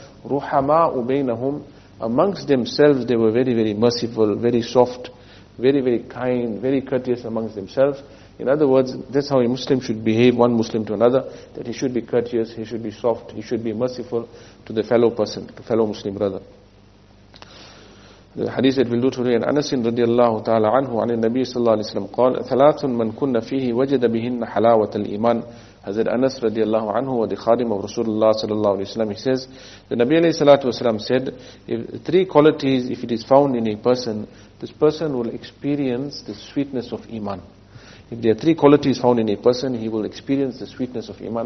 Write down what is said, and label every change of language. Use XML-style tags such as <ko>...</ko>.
<ar>رُحَمَاءُ بَيْنَهُمْ,</ar> <en>amongst themselves they were very, very merciful, very soft, very, very kind, very courteous amongst themselves. In other words, that's how a Muslim should behave, one Muslim to another, that he should be courteous, he should be soft, he should be merciful to the fellow person, to fellow Muslim brother. The hadith that we'll do today, in Anas radiallahu ta'ala anhu,</en> <ar>عن النبي صلى الله عليه وسلم قال, ثلاثٌ من كن فيه وجد بهن حلاوة الإيمان.</ar> <en>Hazrat Anas radiallahu anhu, the khadim of Rasulullah sallallahu alayhi wa sallam, he says, the Nabi alayhi salatu wasalam said, if three qualities, if it is found in a person, this person will experience the sweetness of iman. If there are three qualities found in a person, he will experience the sweetness of iman.</en>